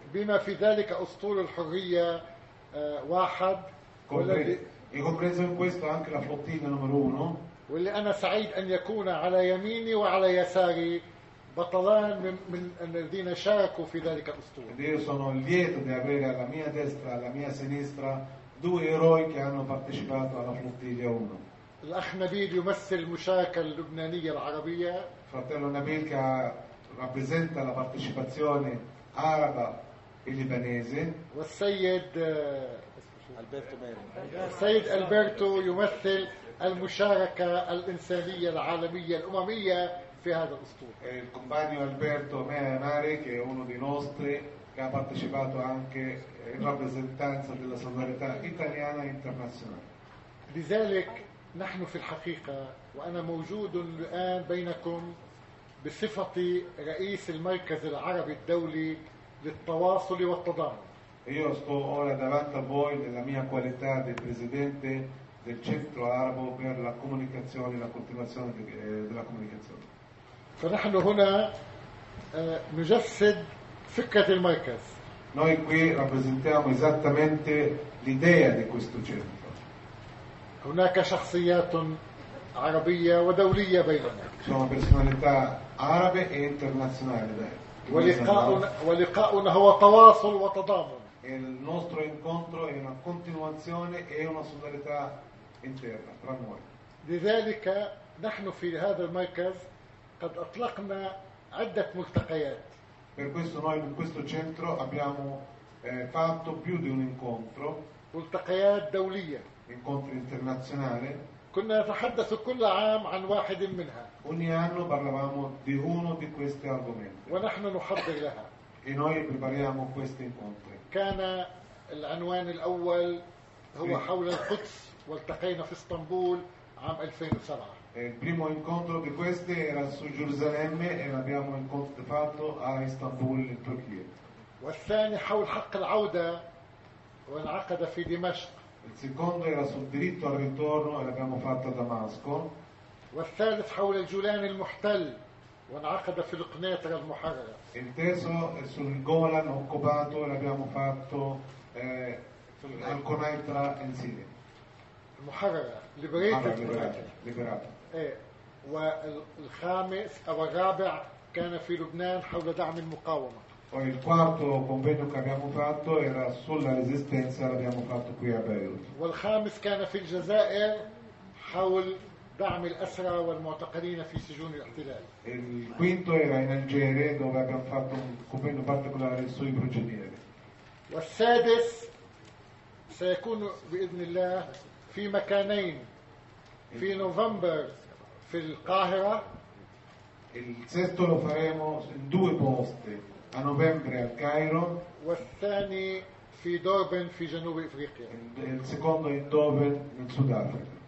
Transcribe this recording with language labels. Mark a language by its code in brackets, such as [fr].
[ar] بما في ذلك أسطول الحرية واحد. [it] E compreso in questo anche la flottiglia numero uno. [ar] واللي أنا سعيد أن يكون على يميني وعلى يساري. بطلان من الذين شاركوا في ذلك الأسطول. [it] Ed io sono lieto di avere alla mia destra, alla mia sinistra, due eroi che hanno partecipato alla flottiglia 1. [ar] الأخ نبيل يمثل المشاركة اللبنانية العربية. [it] Fratello Nabil che rappresenta la partecipazione araba e libanese. [ar] والسيد ألبرتو ميرو. السيد ألبرتو يمثل المشاركة الإنسانية العالمية الأممية. [it] E il compagno Alberto Mare, che è uno dei nostri, che ha partecipato anche in rappresentanza della solidarietà italiana e internazionale. [ar] لذلك نحن في الحقيقة وأنا موجود الآن بينكم بصفتي رئيس المركز العربي الدولي للتواصل والتضامن. [it] Io sto ora davanti a voi nella mia qualità di presidente del centro arabo per la comunicazione e la coltivazione della comunicazione. [ar] فنحن هنا نجسد فكرة المركز. [it] noi qui rappresentiamo esattamente l'idea di questo centro. [ar] هناك شخصيات عربية ودولية بيننا. [it] Sono personalità arabe e internazionali. [ar] ولقاؤنا هو تواصل وتضامن. [it] Il nostro incontro è una continuazione e una solidarietà interna tra noi. [ar] لذلك نحن في هذا المركز قد أطلقنا عدة ملتقيات. [it] Per questo noi in questo centro abbiamo fatto più di un incontro. [ar] ملتقيات دولية. [it] Incontri internazionali. [ar] كنا نتحدث كل عام عن واحد منها. [it] Ogni anno parlavamo di uno di questi argomenti. [ar] ونحن نحضر لها. [it] E noi prepariamo questi incontri. [ar] كان العنوان الأول هو حول القدس والتقينا في اسطنبول عام 2007. [it] Il primo incontro di questi era su Gerusalemme e l'abbiamo fatto a Istanbul in Turchia. [ar] والثاني حول حق العودة وانعقد في دمشق. [it] Il secondo era sul diritto al ritorno e l'abbiamo fatto a Damasco. [ar] والثالث حول الجولان المحتل وانعقد في القناطر المحررة. [it] Il terzo è sul Golan occupato e l'abbiamo fatto al Quneitra in Siria. [ar] المحررة. [it] Liberato. [ar] والخامس أو الرابع كان في لبنان حول دعم المقاومة. [it] Poi il quarto convegno che abbiamo fatto era sulla resistenza, l'abbiamo fatto qui a Beirut. [ar] والخامس كان في الجزائر حول دعم الأسرى والمعتقلين في سجون الاحتلال. [it] Il quinto era in Algeria dove abbiamo fatto un convegno particolare sui prigionieri. [ar] والسادس سيكون بإذن الله في مكانين في نوفمبر في القاهرة. [it] Il sesto lo faremo in due posti. A novembre al Cairo. [ar] والثاني في دوربن في جنوب افريقيا. [it] Il secondo in Durban in Sudafrica.